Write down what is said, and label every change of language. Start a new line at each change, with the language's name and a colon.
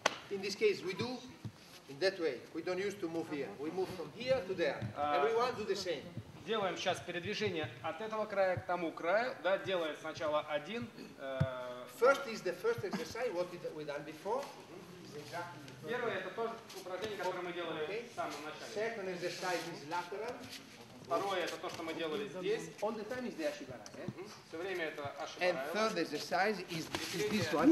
English: In this case, we do in that way. We don't use to move here. We move from here to there. Everyone do the same.
Russian: делаем сейчас передвижение от этого края к тому краю, да, делает сначала один.
English: First is the first exercise, what we done before.
Russian: Первое это то упражнение, которое мы делали в самом начале.
English: Second exercise is lateral.
Russian: Второе это то, что мы делали здесь.
English: All the time is the ashibaraya.
Russian: Все время это
Japanese: ashibaraya.
English: And third exercise is this one.